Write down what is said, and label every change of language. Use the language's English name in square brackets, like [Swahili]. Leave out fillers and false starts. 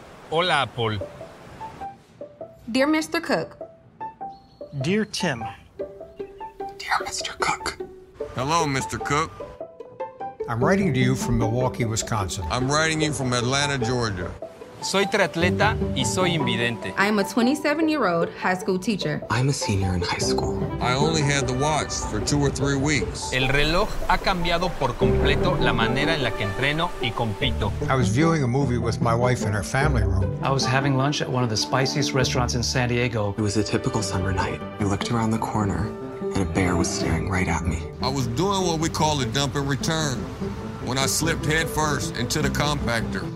[Spanish] Hola, Apple. [English] Dear Mr. Cook. Dear Tim. Dear Mr. Cook. Hello, Mr. Cook. I'm writing to you from Milwaukee, Wisconsin. I'm writing you from Atlanta, Georgia. [Spanish] Soy triatleta y soy invidente. [English] I am a 27-year-old high school teacher. I'm a senior in high school. I only had the watch for 2 or 3 weeks. [Spanish] El reloj ha cambiado por completo la manera en la que entreno y compito. [English] I was viewing a movie with my wife in her family room. I was having lunch at one of the spiciest restaurants in San Diego. It was a typical summer night. I looked around the corner and a bear was staring right at me. I was doing what we call a dump and return, when I slipped headfirst into the compactor.